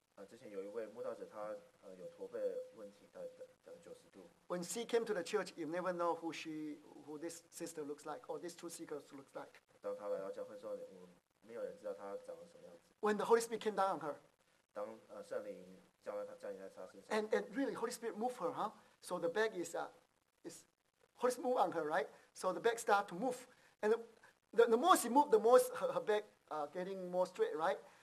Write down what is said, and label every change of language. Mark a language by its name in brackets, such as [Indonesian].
[Chinese] 之前有一位慕道者，他有驼背问题，90度。 [English] When she came to the church, you never know who this sister looks like or this true seeker looks like. [Chinese] 当他来到教会之后，我们没有人知道他长得什么样子。 [English] When the Holy Spirit came down on her. [Chinese] 当圣灵降在他身上。 [English] And really, Holy Spirit moved her, huh? So the bag is Holy Spirit move on her, right? So the bag start to move. And the more she moved, the more her bag getting more straight, right?